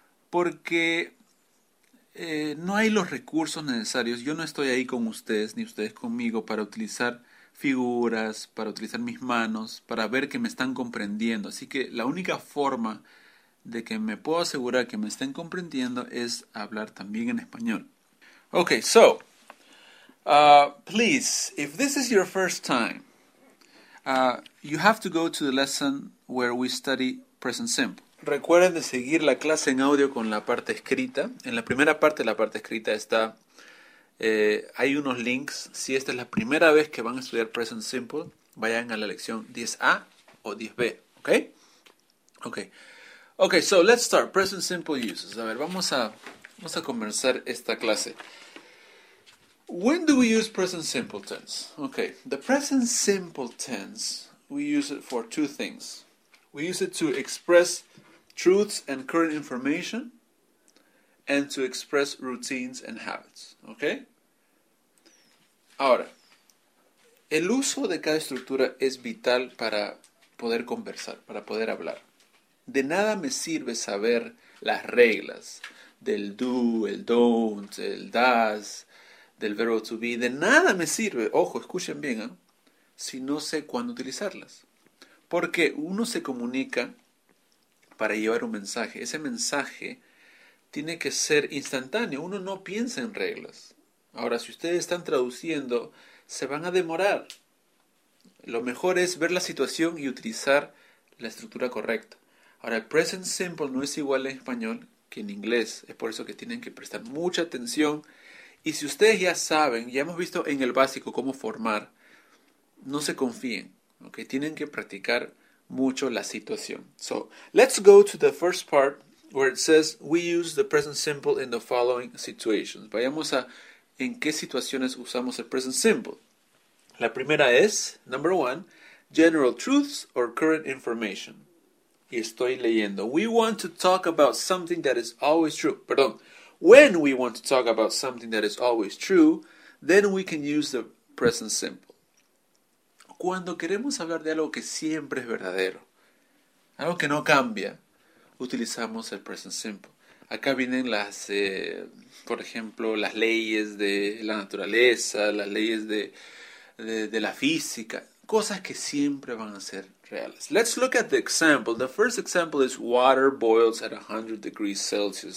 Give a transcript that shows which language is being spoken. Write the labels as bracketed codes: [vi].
[es] Porque no hay los recursos necesarios. Yo no estoy ahí con ustedes, ni ustedes conmigo, para utilizar figuras, para utilizar mis manos, para ver que me están comprendiendo. Así que la única forma de que me puedo asegurar que me estén comprendiendo es hablar también en español. [en] Okay, so, please, if this is your first time, you have to go to the lesson where we study present simple. [es] Recuerden de seguir la clase en audio con la parte escrita. En la primera parte, la parte escrita está... hay unos links. Si esta es la primera vez que van a estudiar Present Simple, vayan a la lección 10A o 10B, ¿okay? [en] Okay, so let's start. Present Simple Uses. [es] A ver, vamos a Vamos a comenzar esta clase. [en] When do we use present simple tense? Okay, the present simple tense, we use it for two things. We use it to express truths and current information, and to express routines and habits, okay? [es] Ahora, el uso de cada estructura es vital para poder conversar, para poder hablar. De nada me sirve saber las reglas del do, el don't, el does, del verbo to be. De nada me sirve, ojo, escuchen bien, ¿eh?, si no sé cuándo utilizarlas. Porque uno se comunica para llevar un mensaje. Ese mensaje tiene que ser instantáneo. Uno no piensa en reglas. Ahora, si ustedes están traduciendo, se van a demorar. Lo mejor es ver la situación y utilizar la estructura correcta. Ahora, el present simple no es igual en español que en inglés. Es por eso que tienen que prestar mucha atención. Y si ustedes ya saben, ya hemos visto en el básico cómo formar, no se confíen, ¿okay? Tienen que practicar mucho la situación. [en] So, let's go to the first part where it says we use the present simple in the following situations. [es] Vayamos a en qué situaciones usamos el present simple. La primera es, [en] number one, general truths or current information. [es] Y estoy leyendo. [en] We want to talk about something that is always true. [es] Perdón. [en] When we want to talk about something that is always true, then we can use the present simple. [es] Cuando queremos hablar de algo que siempre es verdadero, algo que no cambia, utilizamos el present simple. Acá vienen las, por ejemplo, las leyes de la naturaleza, las leyes de la física, cosas que siempre van a ser reales. [en] Let's look at the example. The first example is water boils at 100 degrees Celsius.